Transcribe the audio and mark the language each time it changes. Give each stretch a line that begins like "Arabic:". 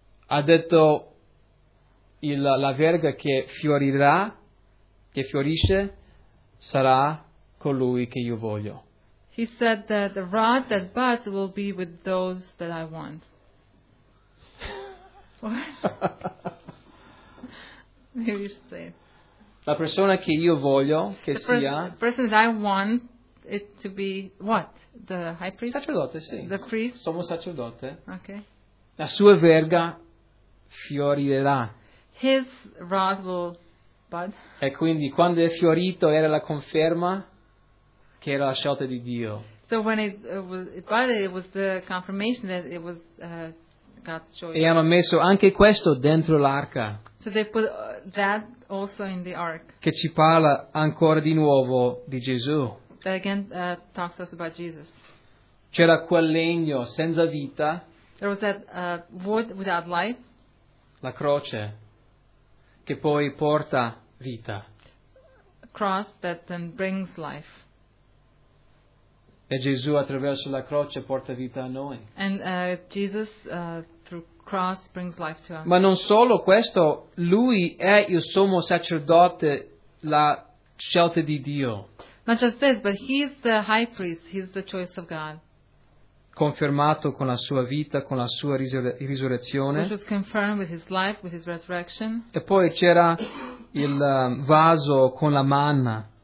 Italian: Ha detto la verga che fiorirà, che fiorisce, sarà colui che io voglio.
English: He said that the rod that buds will be with those that I want. What? You say.
Italian: La persona che io voglio che the sia.
English: The person that I want it to be what? The high priest.
Italian: Sacerdote, sì.
English: The priest.
Italian: Sommo sacerdote.
English: Okay.
Italian: La sua verga fiorirà.
English: His rod will bud.
Italian: E quindi quando è fiorito era la conferma che era la scelta di Dio.
English: So when it budded, it was the confirmation that it was God's choice.
Italian: E hanno messo anche questo dentro l'arca.
English: So they put that also in the ark.
Italian: Che ci parla ancora di nuovo di Gesù.
English: That again talks us about Jesus.
Italian: C'era quel legno senza vita.
English: There was that wood without life.
Italian: La croce che poi porta vita.
English: A cross that then brings life.
Italian: E Gesù attraverso la croce porta vita a noi.
English: And Jesus through cross brings life to us.
Italian: Ma non solo questo, lui è il sommo sacerdote, la scelta di Dio.
English: Not just this, but he's the high priest, he's the choice of God.
Italian: Confermato con la sua vita, con la sua risurrezione.
English: Which was confirmed with his life, with his resurrection.
Italian: E poi c'era il vaso con la manna.